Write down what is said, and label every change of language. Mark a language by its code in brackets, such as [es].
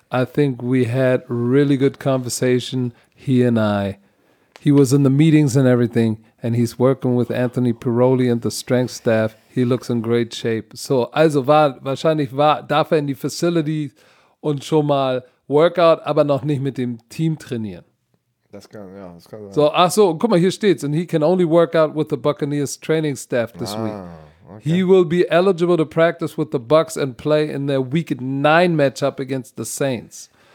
[en] I think we had really good conversation, he and I. He was in the meetings and everything, and he's working with Anthony Pirolli and the strength staff. He looks in great shape. [de] So, also wahrscheinlich darf er in die Facility und schon mal Workout, aber noch nicht mit dem Team trainieren. Das kann so, ach so, guck mal, hier steht's. [en] And he can only work out with the Buccaneers training staff this week. Okay. He will be eligible to practice with the Bucks and play in their Week 9 matchup against the Saints.